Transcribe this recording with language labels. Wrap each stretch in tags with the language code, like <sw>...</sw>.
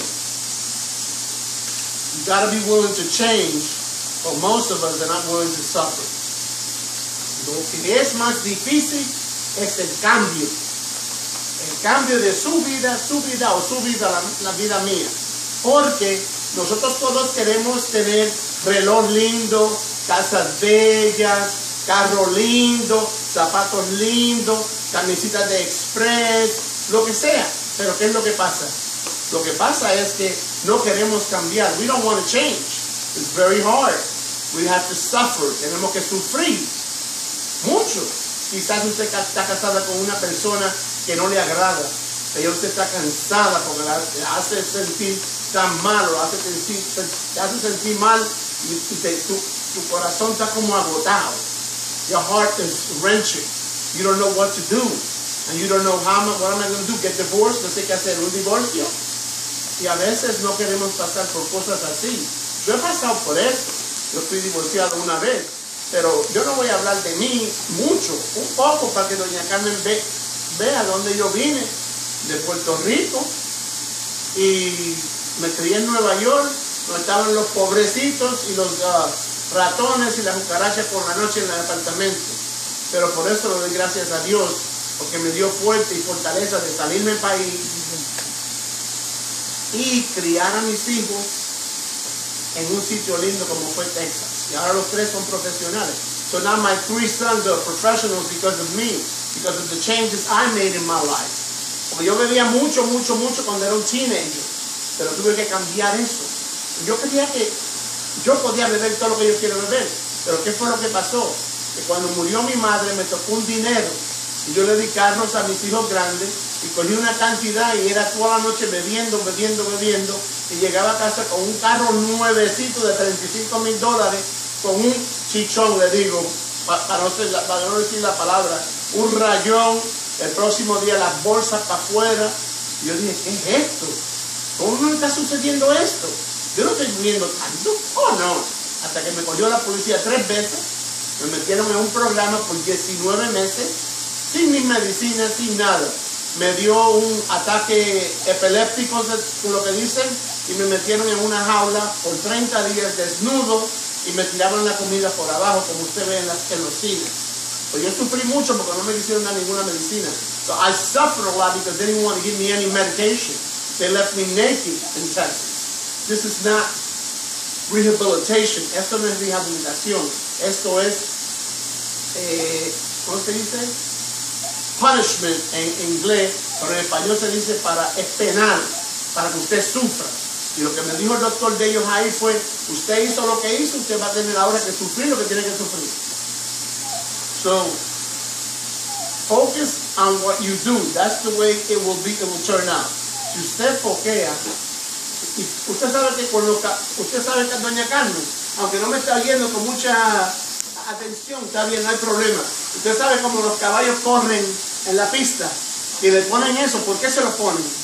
<en>You gotta be willing to change, but most of us are not willing to suffer.</en> <es>Lo que es más difícil es el cambio. El cambio de su vida o su vida, la vida mía. Porque nosotros todos queremos tener reloj lindo, casas bellas, carro lindo, zapatos lindos, camisetas de express, lo que sea. Pero ¿qué es lo que pasa? Lo que pasa es que no queremos cambiar.</es> <en>We don't want to change. It's very hard. We have to suffer.</en> <es>Tenemos que sufrir. Mucho. Quizás usted está casada con una persona que no le agrada. Pero usted está cansada porque la hace sentir tan mal. O hace sentir mal. Y tu corazón está como agotado.</es> <en>Your heart is wrenching. You don't know what to do. And you don't know what am I going to do? Get divorced?</en> <es>No sé qué hacer. ¿Un divorcio? Y a veces no queremos pasar por cosas así. Yo he pasado por eso. Yo fui divorciado una vez. Pero yo no voy a hablar de mí mucho. Un poco para que doña Carmen vea dónde yo vine. De Puerto Rico. Y me crié en Nueva York. Donde estaban los pobrecitos y los ratones y las cucarachas por la noche en el apartamento. Pero por eso le doy gracias a Dios. Porque me dio fuerte y fortaleza de salirme del país y criar a mis hijos en un sitio lindo como fue Texas. Y ahora los tres son profesionales.</es> <en>So now my three sons are professionals because of me, because of the changes I made in my life.</en> <es>Porque yo bebía mucho, mucho, mucho cuando era un teenager. Pero tuve que cambiar eso. Yo creía que yo podía beber todo lo que yo quiero beber. Pero ¿qué fue lo que pasó? Que cuando murió mi madre me tocó un dinero. Y yo le di carros a mis hijos grandes, y cogí una cantidad y era toda la noche bebiendo y llegaba a casa con un carro nuevecito de $35,000 con un chichón, le digo, para no decir la palabra, un rayón, el próximo día las bolsas para afuera. Yo dije, ¿qué es esto? ¿Cómo me está sucediendo esto? Yo no estoy durmiendo tanto, ¿o no? Hasta que me cogió la policía 3 veces, me metieron en un programa por 19 meses, sin mi medicina, sin nada. Me dio un ataque epiléptico, lo que dicen, y me metieron en una jaula por 30 días desnudo y me tiraban la comida por abajo, como usted ve en los cines. Pues yo sufrí mucho porque no me hicieron ninguna medicina.</es> <en>So I suffered a lot because they didn't want to give me any medication. They left me naked in Texas. This is not rehabilitation.</en> <es>Esto no es rehabilitación. Esto es, ¿cómo se dice? Punishment en inglés, pero en español se dice para es penal, para que usted sufra. Y lo que me dijo el doctor de ellos ahí fue, usted hizo lo que hizo, usted va a tener ahora que sufrir lo que tiene que sufrir.</es> <en>So, focus on what you do. That's the way it will be, it will turn out.</en> <es>Si usted foquea, y usted sabe que con lo que, usted sabe que doña Carmen, aunque no me está viendo con mucha atención, está bien, no hay problema. Usted sabe cómo los caballos corren en la pista y le ponen eso, ¿por qué se lo ponen?</es>